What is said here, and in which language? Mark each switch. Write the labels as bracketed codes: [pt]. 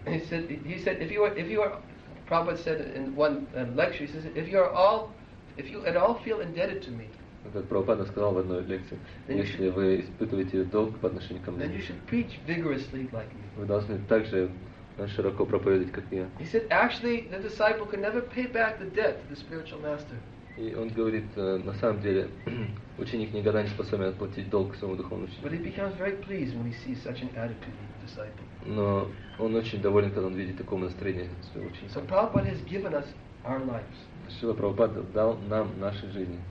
[en] He said, if you are, Prabhupada said in one lecture, he says, if you at all feel indebted to me. [ru] Как Прабхупада сказал в одной лекции, если вы испытываете долг по отношению ко мне. [en] Then you should preach vigorously like me. [ru] Вы должны также широко проповедовать, как я. [en] He said, actually, the disciple can never pay back the debt to the spiritual master. [ru] И он говорит, на самом деле, ученик никогда не способен отплатить долг своему духовному учителю. [en] But he becomes very pleased when he sees such an attitude in the disciple. [ru] Но он очень доволен, когда он видит такое настроение своего ученика. [en] So Prabhupada has given us our lives. [ru] Шрила Прабхупада дал нам наши жизни.